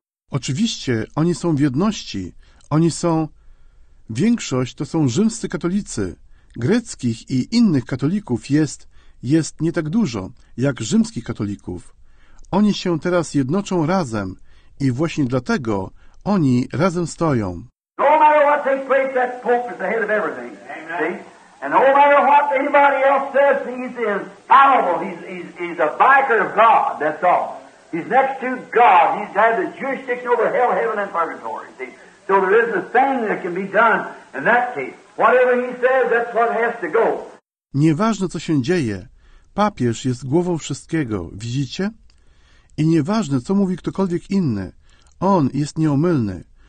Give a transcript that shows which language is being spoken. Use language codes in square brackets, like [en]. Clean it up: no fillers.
[pl] Oczywiście, oni są w jedności, oni są... Większość to są rzymscy katolicy. Greckich i innych katolików jest nie tak dużo, jak rzymskich katolików. Oni się teraz jednoczą razem i właśnie dlatego oni razem stoją. [en] No matter what takes place, that Pope is the head of everything. See? And no matter what anybody else says, he's infallible. He's a vicar of God, that's all. He's next to God. He's had the jurisdiction over hell, heaven, and purgatory. See? So there isn't a thing that can be done in that case. Whatever he says, that's what has to go. [pl] Nieważne, co się dzieje. Papież jest głową wszystkiego. Widzicie? I nieważne, co mówi ktokolwiek inny, on jest nieomylny.